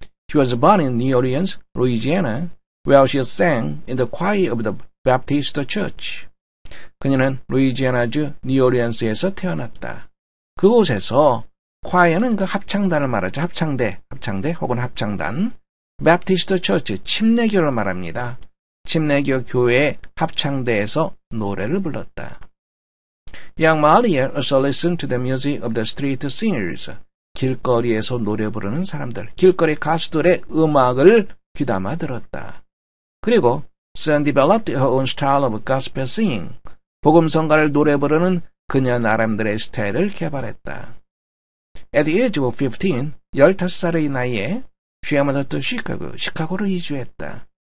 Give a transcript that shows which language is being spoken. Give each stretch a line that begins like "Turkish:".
English: She was born in New Orleans, Louisiana, where she sang in the choir of the Baptist Church.
Korean: 그녀는 루이지애나주 뉴올리언스에서 태어났다. 그곳에서 콰이어는 그 합창단을 말하죠. 합창대 혹은 합창단. 베프티스트 처치, 침례교를 말합니다. 침례교 교회의 합창대에서 노래를 불렀다.
English: Young Maria also listened to the music of the street singers.
Korean: 길거리에서 노래 부르는 사람들, 길거리 가수들의 음악을 귀담아 들었다. 그리고
English: soon developed her own style of gospel singing.
Korean: 복음성가를 노래 부르는 그녀 나름대로의 스타일을 개발했다.
English: At the age of 15,
Korean: 15살의 나이에
English: she moved to Chicago,
Korean: 시카고로 이주했다.